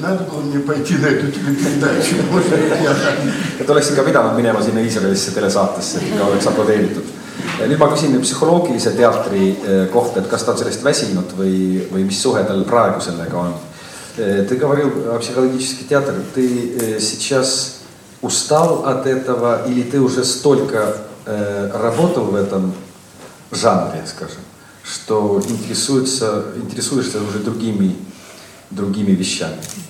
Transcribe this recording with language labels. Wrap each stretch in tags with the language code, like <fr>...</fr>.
<ru>Надо было мне пойти на эту телепередачу. Может, я так... Это</ru> <et>oleks ikka pidanud minema sinna Iisraelisse telesaatesse, et ikka oleks aplodeeritud. Nüüd ma küsin psühholoogilise teatri kohta, et kas ta on sellest väsinud või mis suhe tal praegu sellega on.</et> <ru>Ты говорил о психологический театр. Ты сейчас устал от этого или ты уже столько работал в этом жанре, скажем, что интересуешься уже другими вещами?</ru>